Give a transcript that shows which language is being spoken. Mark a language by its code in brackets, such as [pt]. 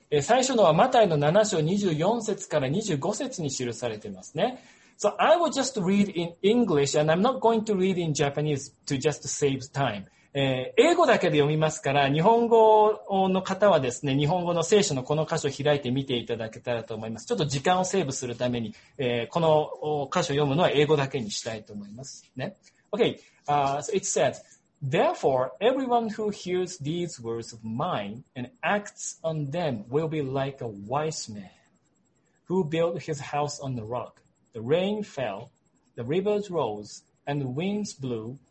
[ja] 最初のはマタイの7章24節から25節に記されていますね。 [en] So I will just read in English and I'm not going to read in Japanese to just save time. [ja] 英語だけで読みますから、日本語の方はですね、日本語の聖書のこの箇所を開いて見ていただけたらと思います。ちょっと時間をセーブするために、この箇所を読むのは英語だけにしたいと思いますね。 [en] Okay,、so it says, Therefore, everyone who hears these words of mine and acts on them will be like a wise man who built his house on the rock. The rain fell, the rivers rose, and the winds blew.